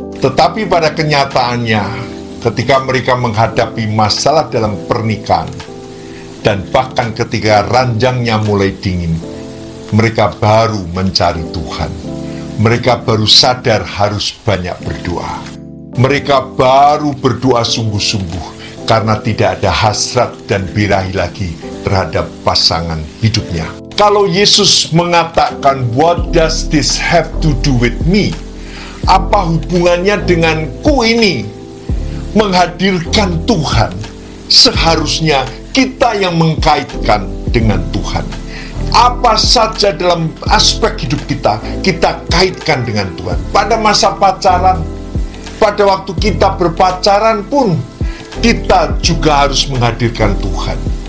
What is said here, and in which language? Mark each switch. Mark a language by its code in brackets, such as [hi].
[id] Tetapi pada kenyataannya, ketika mereka menghadapi masalah dalam pernikahan, dan bahkan ketika ranjangnya mulai dingin, mereka baru mencari Tuhan. Mereka baru sadar harus banyak berdoa. Mereka baru berdoa sungguh-sungguh, karena tidak ada hasrat dan birahi lagi terhadap pasangan hidupnya. [en] Kalau Yesus mengatakan, "What does this have to do with me?" [id] Apa hubungannya denganku ini? Menghadirkan Tuhan, seharusnya kita yang mengkaitkan dengan Tuhan. Apa saja dalam aspek hidup kita, kita kaitkan dengan Tuhan. Pada masa pacaran, pada waktu kita berpacaran pun, kita juga harus menghadirkan Tuhan.